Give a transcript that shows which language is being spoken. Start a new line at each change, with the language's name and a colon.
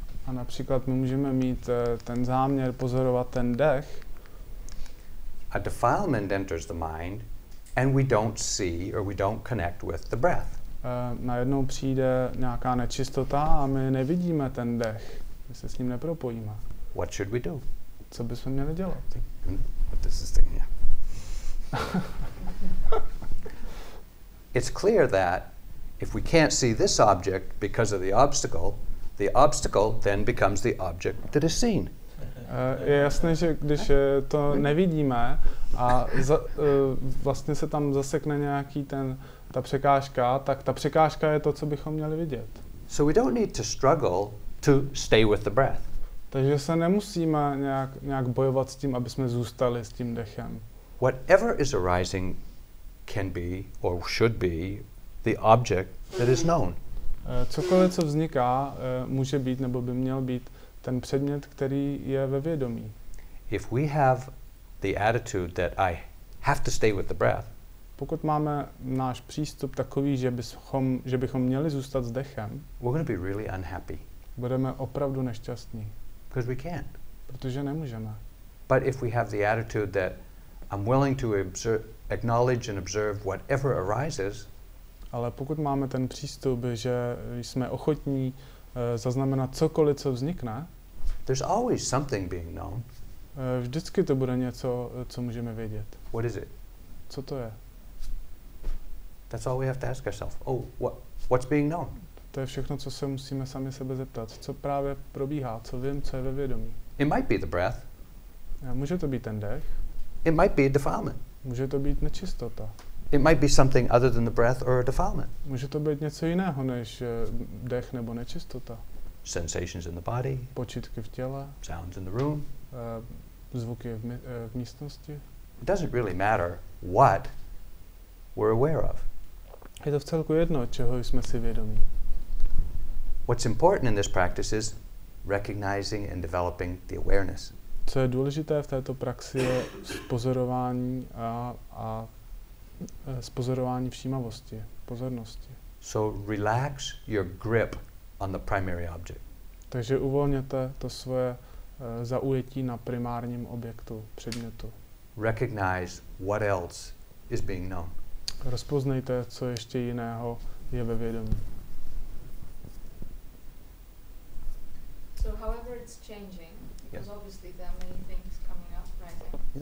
Czech: A například my můžeme mít ten záměr pozorovat ten dech.
English: A defilement enters the mind and we don't see or we don't connect with the breath.
Czech: Najednou přijde nějaká nečistota a my nevidíme ten dech. My se s ním nepropojíme.
English: What should we do?
Czech: Co bychom měli dělat?
English: This is the thing, yeah. It's clear that if we can't see this object because of the obstacle then becomes the object that is seen.
Czech: Je jasné, že když to nevidíme a vlastně se tam zasekne nějaký ta překážka, tak ta překážka je to, co bychom měli vidět.
English: So we don't need to struggle to stay with the breath.
Czech: Takže se nemusíme nějak bojovat s tím, aby jsme zůstali s tím dechem.
English: Whatever is arising can be or should be the object that is known.
Czech: Cokoliv, co vzniká, může být nebo by měl být ten předmět, který je ve vědomí.
English: If we have the attitude that I have to stay with the breath.
Czech: Pokud máme náš přístup takový, že bychom měli zůstat s dechem.
English: We're going to be really unhappy.
Czech: Budeme opravdu nešťastní.
English: Because we can't.
Czech: Protože nemůžeme.
English: But if we have the attitude that I'm willing to acknowledge and observe whatever arises.
Czech: Ale pokud máme ten přístup, že jsme ochotní zaznamenat cokoliv, co vznikne.
English: There's always something being known.
Czech: Vždycky to bude něco, co můžeme vědět.
English: What is it?
Czech: Co to je?
English: That's all we have to ask ourselves. Oh, what's being known?
Czech: To je všechno, co se musíme sami sebe zeptat. Co právě probíhá? Co vím, co je ve vědomí?
English: It might be the breath.
Czech: Může to být ten dech.
English: It might be a defilement.
Czech: Může to být nečistota.
English: It might be something other than the breath or a defilement.
Czech: Může to být něco jiného než dech nebo nečistota.
English: Sensations in the body.
Czech: Počitky v těle.
English: Sounds in the room.
Czech: Zvuky v místnosti.
English: It doesn't really matter what we're aware of.
Czech: Je to vcelku jedno, čeho jsme si vědomí.
English: What's important in this practice is recognizing and developing the awareness.
Czech: Co je důležité v této praxi je pozorování a spozorování všímavosti, pozornosti.
English: So relax your grip on the primary object.
Czech: Takže uvolněte to svoje zaujetí na primárním objektu, předmětu.
English: Recognize what else is being known.
Czech: Rozpoznejte, co ještě jiného je ve vědomí.
English: So however it's changing, because obviously there are many things coming up, right?